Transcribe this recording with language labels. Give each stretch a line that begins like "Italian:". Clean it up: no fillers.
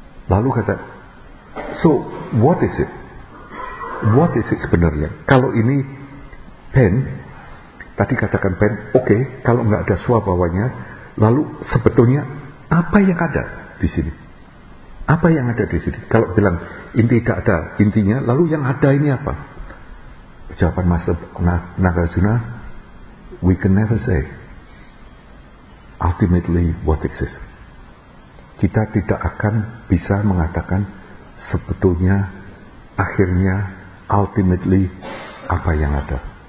Indonesian: Lalu kata,
English: so what is it? What is it sebenarnya?
Indonesian: Kalau ini pen, tadi katakan pen, okay, kalau enggak ada swabhavanya, lalu sebetulnya apa yang ada di sini? Apa yang ada di sini? Kalau bilang inti tidak ada intinya, lalu yang ada ini apa? Jawaban
English: Master Nagarjuna, we can never say ultimately what exists.
Indonesian: Kita tidak akan bisa mengatakan sebetulnya, akhirnya, ultimately apa yang ada.